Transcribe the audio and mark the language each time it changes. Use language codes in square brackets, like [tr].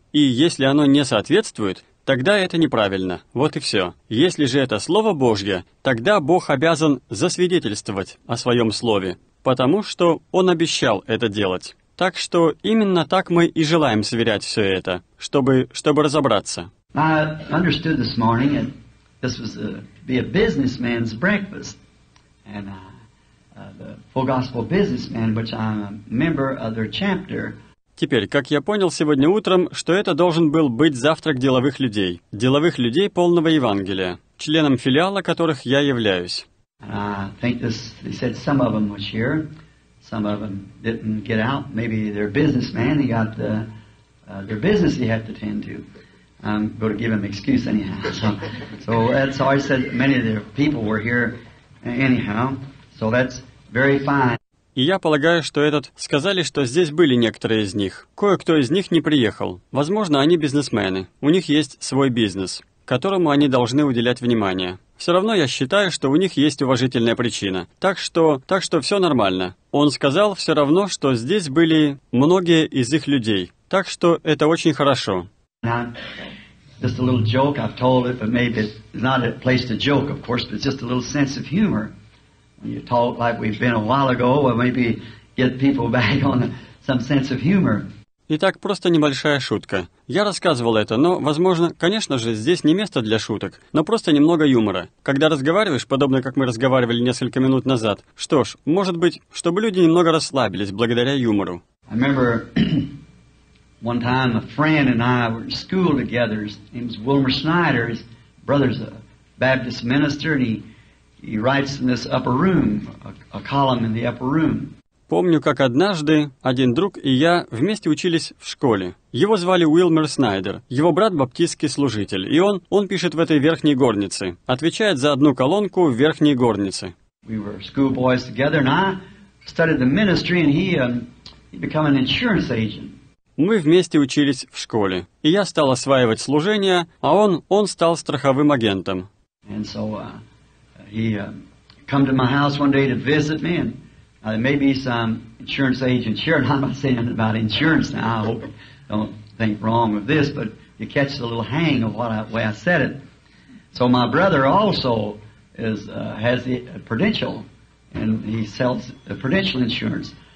[ru] И если оно не соответствует, тогда это неправильно. Вот и все. Если же это Слово Божье, тогда Бог обязан засвидетельствовать о Своем Слове, потому что Он обещал это делать. Так что именно так мы и желаем сверять все это, чтобы разобраться. [en] I understood this morning that this was to be a businessman's breakfast. And the full gospel businessman, which I'm a member of their chapter. [ru] Теперь, как я понял сегодня утром, что это должен был быть завтрак деловых людей полного Евангелия, членом филиала которых я являюсь. [en] I think this, they said some of them was here, some of them didn't get out. Maybe their businessman, he got the their business he had to tend to. I'm going to give him excuse anyhow. So that's all I said. Many of their people were here. Anyhow, so that's very fine. [ru] И я полагаю, что этот сказали, что здесь были некоторые из них. Кое-кто из них не приехал. Возможно, они бизнесмены. У них есть свой бизнес, которому они должны уделять внимание. Все равно я считаю, что у них есть уважительная причина. Так что все нормально. Он сказал все равно, что здесь были многие из их людей. Так что это очень хорошо. [en] Just a little joke, I've told it, but maybe it's not a place to joke, of course, but it's just a little sense of humor. When you talk like we've been a while ago, or maybe get people back on some sense of humor. [ru] Итак, просто небольшая шутка. Я рассказывал это, но, возможно, конечно же, здесь не место для шуток, но просто немного юмора. Когда разговариваешь, подобно как мы разговаривали несколько минут назад, что ж, может быть, чтобы люди немного расслабились благодаря юмору. [en] I remember... One time, a friend and I were in school together. His name's Wilmer Snyder. His brother's a Baptist minister, and he writes in this upper room, a column in the upper room. [ru] Помню, как однажды один друг и я вместе учились в школе. Его звали Уилмер Снайдер, его брат баптистский служитель, и он пишет в этой верхней горнице, отвечает за одну колонку в верхней горнице. [en] We were schoolboys together, and I studied the ministry, and he became an insurance agent. [ru] Мы вместе учились в школе, и я стал осваивать служение, а он стал страховым агентом. [en] And so he came to my house one day to visit me, and maybe some insurance agent. Sure, I'm not saying about insurance now. I hope you don't think wrong of this, but you catch the little hang of what way I said it. So my brother also has the Prudential, and he sells the Prudential insurance.